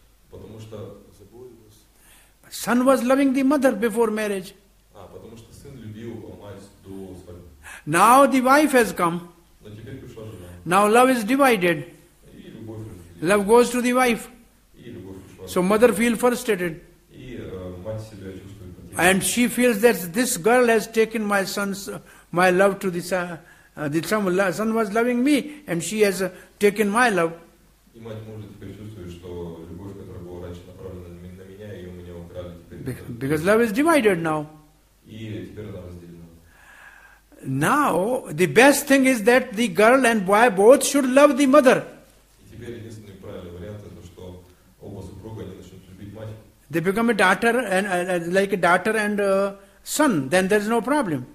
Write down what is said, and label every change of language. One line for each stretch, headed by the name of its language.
Russian: Потому что
English: the boy was. Son was loving the mother before marriage.
Russian: А потому что сын любил мать до свадьбы.
English: Now the wife has come.
Russian: Но теперь пришла жена.
English: Now love is divided.
Russian: И любовь разделена.
English: Love goes to the wife.
Russian: И любовь ушла.
English: So mother feels frustrated.
Russian: И мать себя чувствует потерянной.
English: And she feels that this girl has taken my son's my love to the son. Son was loving me, and she has taken my love.
Russian: И мать может теперь чувствовать, что любовь, которая была раньше направлена на меня, ее у меня украли теперь.
English: Because love is divided now.
Russian: И теперь она разделена.
English: Now the best thing is that the girl and boy both should love the mother.
Russian: И теперь единственный правильный вариант это, что оба супруга они начнут любить мать.
English: They become a daughter and like a daughter and son. Then there is no problem.